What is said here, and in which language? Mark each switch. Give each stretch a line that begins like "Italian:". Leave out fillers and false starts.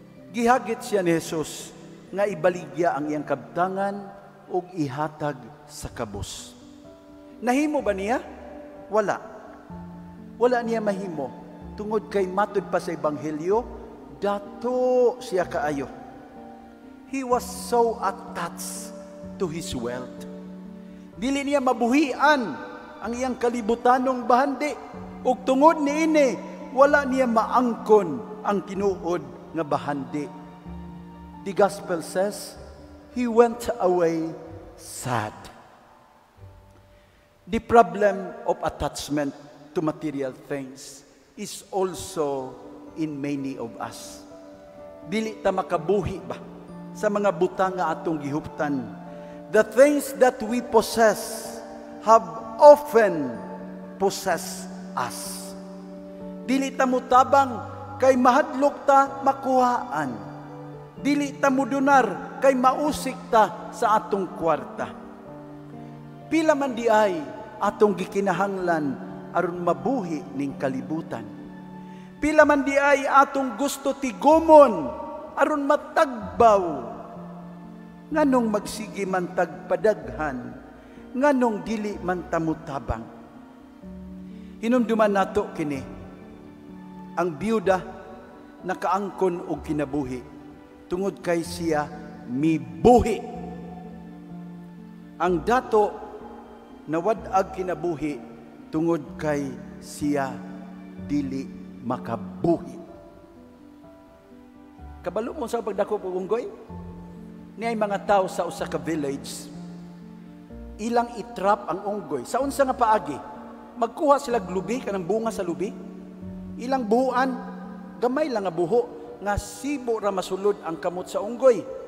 Cebuano: Gihagit siya ni Jesus nga ibaligya ang iyang kabtangan ug ihatag sa kabus. Nahimo ba niya? Wala. Wala niya mahimo tungod kay matud pa sa Ebanghelyo, dato siya kaayo.
English: He was so attached to his wealth.
Cebuano: Dili niya mabuhian ang iyang kalibutanong bahandi ug tungod niini, wala niya maangkon ang tinuod nga bahandi.
English: The gospel says, he went away sad. The problem of attachment to material things is also in many of us.
Cebuano: Dili ta makabuhi ba sa mga butang nga atong gihuptan?
English: The things that we possess have often possessed us.
Cebuano: Dili ta mutabang kay mahadlok ta makuhaan. Dili ta mudunar kay mausik ta sa atong kwarta. Pila man di ay atong gikinahanglan aron mabuhi ning kalibutan. Pila man di ay atong gusto tigumon aron matagbaw. Nganong magsigi man tagpadaghan, nganong dili man tamutabang. Hinumduman nato kini ang biuda nakaangkon og kinabuhi tungod kay siya mibuhi. Ang dato nawadag kinabuhi tungod kay siya dili makabuhi. Kabalo mo sa pagdako po unggoy? Niay mga tao sa usa ka village, ilang itrap ang unggoy. Sa unsa nga paagi, magkuha sila lubi, kanang bunga sa lubi. Ilang buhuan, gamay lang nga buho, nga sibo ra masulod ang kamot sa unggoy.